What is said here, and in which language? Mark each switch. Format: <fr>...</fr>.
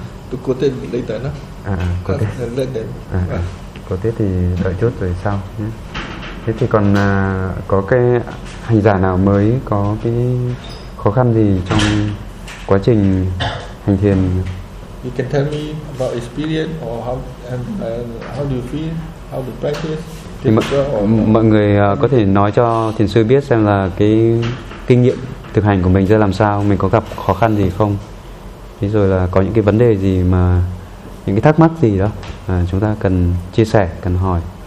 <vi>tôi có tên lấy tên đó. À, có tên lấy tên. Có tết thì đợi chút rồi sau nhé. Thế thì còn có cái hành giả nào mới có cái khó khăn gì trong quá trình hành thiền?</vi> <en>You can tell me about experience or how and how do you feel, how to practice.</en> <vi>Thì mọi người có thể nói cho thiền sư biết xem là cái kinh nghiệm thực hành của mình ra làm sao, mình có gặp khó khăn gì không? Thế rồi là có những cái vấn đề gì mà những cái thắc mắc gì đó à, chúng ta cần chia sẻ, cần hỏi.</vi>